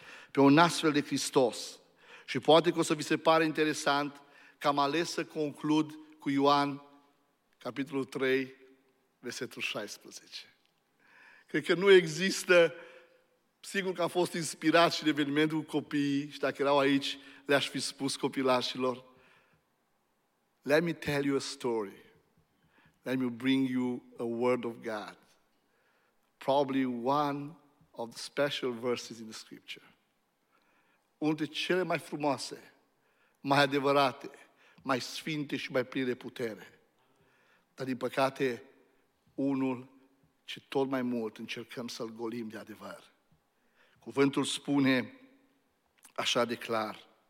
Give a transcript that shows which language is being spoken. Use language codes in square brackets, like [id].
[ro] Pe un astfel de Hristos. Și poate că o să vi se pare interesant că am ales să conclud cu Ioan, capitolul 3, versetul 16. Cred că nu există, sigur că am fost inspirat și de evenimentul copiii și dacă erau aici, le-aș fi spus copilașilor, [en] let me tell you a story. Let me bring you a word of God. Probably one of the special verses in the scripture. [ro] Unul de cele mai frumoase, mai adevărate, mai sfinte și mai pline de putere. Dar din păcate, unul ce tot mai mult încercăm să-L golim de adevăr. Cuvântul spune așa de clar.